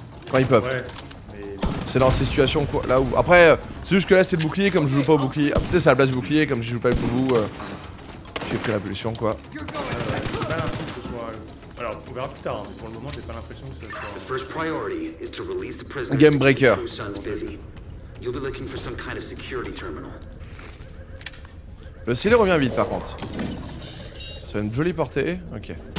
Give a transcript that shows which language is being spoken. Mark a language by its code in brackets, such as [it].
[fr] Quand ils peuvent. Ouais, mais... C'est dans ces situations quoi, là où... Après, c'est juste que là, c'est le bouclier, comme je joue pas au bouclier. Ah, tu sais, c'est à la place du bouclier, comme je joue pas le boubou. J'ai pris la pollution, quoi. J'ai pas l'impression que ce soit... Alors, on verra plus tard, hein, mais pour le moment, j'ai pas l'impression que ce soit... [en] The first priority is to release the prisoner. Game Breaker. You'll be looking for some kind of security terminal. [fr] Le ciel revient vite, par contre. C'est une jolie portée, ok.